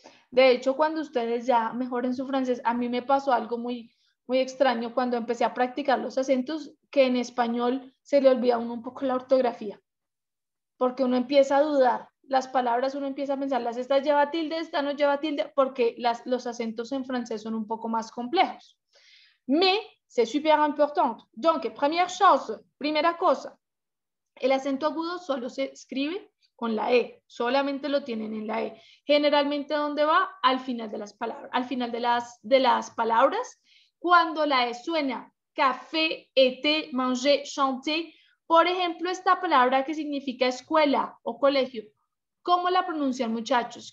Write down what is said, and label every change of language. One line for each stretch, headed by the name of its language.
Spanish: De hecho, cuando ustedes ya mejoren su francés, a mí me pasó algo muy, muy extraño cuando empecé a practicar los acentos, que en español se le olvida uno un poco la ortografía. Porque uno empieza a dudar. Las palabras, uno empieza a pensar, ¿las estas lleva tilde, esta no lleva tilde? Porque los acentos en francés son un poco más complejos.
French: Mais, c'est super important. Donc, première chose,
Spanish: primera cosa, el acento agudo solo se escribe con la E, solamente lo tienen en la E. Generalmente, ¿dónde va? Al final de las palabras, al final de las palabras. Cuando la E suena, café, été, manger, chanter, por ejemplo, esta palabra que significa escuela o colegio, ¿cómo la pronuncian, muchachos?